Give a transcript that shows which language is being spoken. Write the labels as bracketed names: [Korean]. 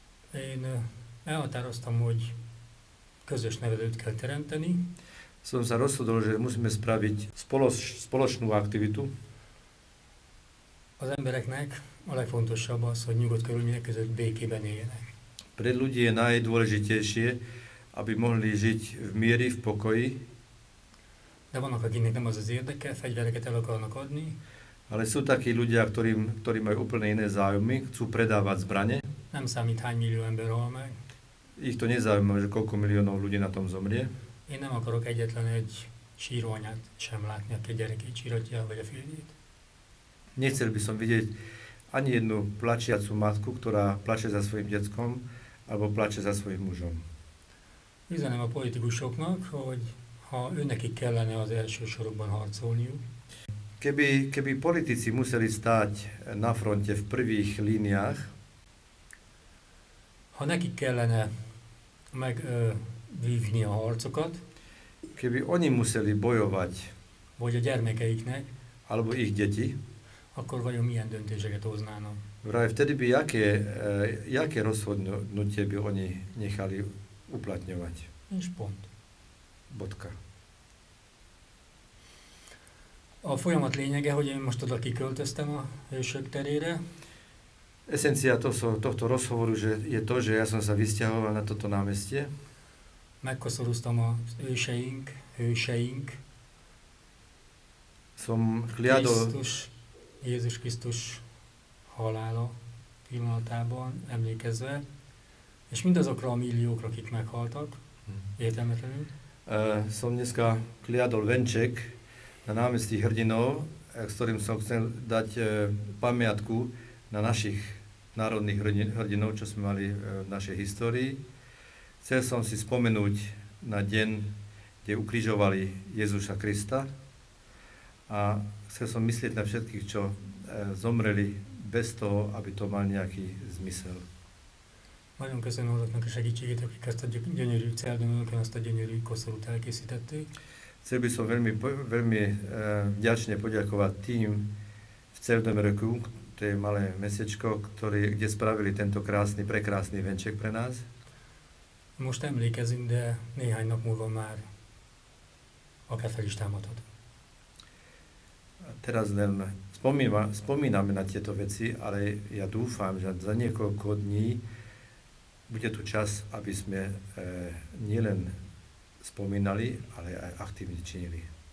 [Hungarian] Én elhatároztam, hogy közös nevelőt kell teremteni. [Slovak] Som sa rozhodol, že musíme spraviť spoločnú aktivitu. [Hungarian] Az embereknek a legfontosabb az, hogy nyugodt körülmények között békében éljenek. [Slovak] Pre ľudí je najdôležitejšie, aby mohli žiť v mieri, v pokoji. [Hungarian] De vannak, akinek nem az az érdeke, fegyvereket el akarnak adni. [Slovak] Ale sú takí ľudia, ktorí majú úplne iné záujmy, chcú predávať zbrane. [Hungarian] Nem számít, hány millió ember hal meg. [Slovak] Ich to nezaujíma, že koľko miliónov ľudí na tom zomrie. [Hungarian] Én nem akarok egyetlen egy síróanyát sem látni, aki a gyerekét síratja, vagy a férjét. [Slovak] Nechcel by som vidieť ani jednu plačiacu matku, ktorá plače za svojim deckom, alebo plače za svojim mužom. [Hungarian] Üzenem a politikusoknak, hogy ha őnekik kellene az első sorokban harcolniuk. [Slovak] Keby politici museli stáť na fronte v prvých líniách, [Hungarian] ha nekik kellene meg vívni a harcokat, [Slovak] keby oni museli bojovať, [Hungarian] vagy a gyermekeiknek, [Slovak] alebo ich deti, [Hungarian] akkor vajon milyen döntéseket hoznának? [Slovak] Vraj, vtedy by jaké rozhodnutie by oni nechali uplatňovať? [Hungarian] Nincs pont. [Slovak] Bodka. [Hungarian] A folyamat lényege, hogy én most oda kiköltöztem a Hősök terére. [Slovak] Esencia tohto rozhovoru je to, že ja som sa vysťahoval na toto námestie. [Hungarian] Megkoszorúztam az hőseink. [Slovak] Som hliadol... [Hungarian] Krisztus, Jézus Krisztus halála pillanatában emlékezve, és mindazokra a milliókra, akik meghaltak, értelmetlenül. [Slovak] Som dneska kliadol venček na námestí Hrdinov, s ktorým som chcel dať pamiatku na našich národných hrdinov, čo sme mali v našej histórii. Chcel som si spomenúť na deň, kde ukrižovali Jezusa Krista a chcel som myslieť na všetkých, čo zomreli bez toho, aby to mal nějaký zmysel. [Hungarian] Nagyon köszönöm azoknak a segítségét, akik ezt a gyönyörű celdonokon, ezt a gyönyörű koszorút elkészítették. [Slovak] Chcel by som veľmi vďačne poďakovať tým v Celdomeroku, to je malé mesečko, kde spravili tento krásny, prekrásny venček pre nás. [Hungarian] Most emlékezünk, de néhány nap múlva már akár fel is támadhat. [Slovak] Teraz len spomíname na tieto veci, ale ja dúfam, že za niekoľko dní bude tu čas, aby sme nielen spomínali, ale aj aktivne činili.